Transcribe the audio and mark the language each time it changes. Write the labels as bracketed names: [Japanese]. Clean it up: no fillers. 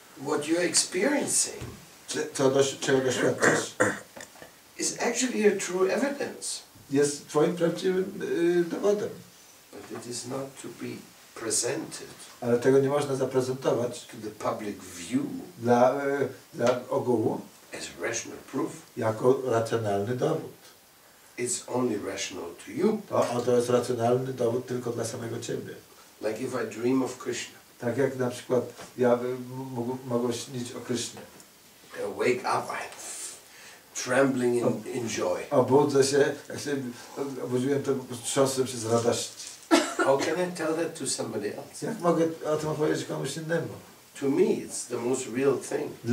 [English] What you're experiencing. [Polish] Czego doświadczasz. [English] Is actually a true evidence. [Polish] Jest twoim prawdziwym dowodem. [English] But it is not to be presented. [Polish] Ale tego nie można zaprezentować. [English] To the public view. [Polish] Dla ogółu. [English] As rational proof. [Polish] Jako racjonalny dowód. [English] It's only rational to you. [Polish] To jest racjonalny dowód tylko dla samego ciebie. [English] Like if I dream of Krishna. [Polish] Tak jak na przykład ja mogę śnić o Krishna. [English] Wake up. Trembling in joy. [Polish] Obudzę się, jak się obudziłem, to trząsłem się z radości. [English] How can I tell that to somebody else? [Polish] Jak mogę o tym opowiedzieć komuś innemu? [English] To me it's the most real thing.